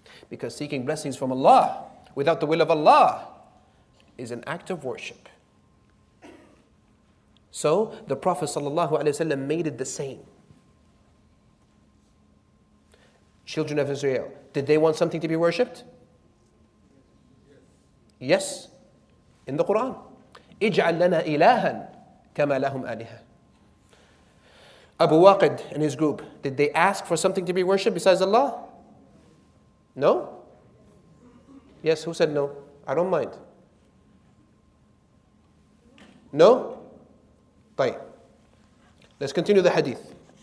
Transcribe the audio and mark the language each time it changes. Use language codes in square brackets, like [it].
[en] Because seeking blessings from Allah without the will of Allah is an act of worship. So the Prophet sallallahu alaihi wasallam made it the same. Children of Israel, did they want something to be worshipped? Yes, in the Quran. [ar] اجعل لنا إلهاً كما لهم آلهة. [en] Abu Waqid and his group, did they ask for something to be worshipped besides Allah? No? Yes, who said no? I don't mind. No? [ar] طيب. [en] Let's continue the hadith.